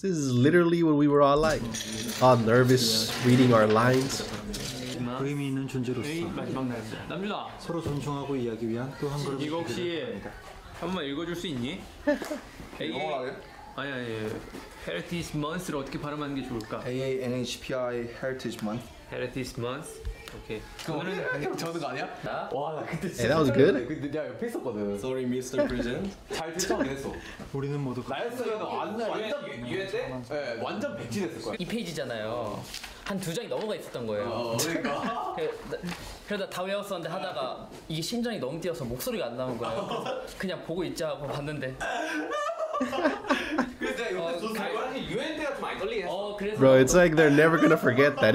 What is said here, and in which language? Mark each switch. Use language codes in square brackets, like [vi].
[en] This is literally what we were all like, all nervous reading our lines. [ko] 의미 있는 존재로서 마지막 날 남준아 서로 존중하고 이야기 위한 또 한 걸음 이거 혹시 한번 읽어줄 수 있니? 영어라고요? 아니 Heritage Month를 어떻게 발음하는 게 좋을까? [en] AANHPI Heritage Month. [ko] Heritage Month. 오케이. 오늘은 형 저는 거 아니야? 나? 와 나 그때 진짜 [en] hey, that was good. [ko] 근데 내가 옆에 있었거든. [en] Sorry Mr. President. [ko] 잘 들었어 그랬어. 우리는 모두 나였어. 완전 유해 때? 네 완전 백지됐을 거야. 이 페이지잖아요. 한 두 장이 넘어가 있었던 거예요. 그러니까 그러다 다 외웠었는데 하다가 이게 심장이 너무 뛰어서 목소리가 안 나온 거예요. 그냥 보고 있자 하고 봤는데 [en] Bro, it's like they're never gonna forget that.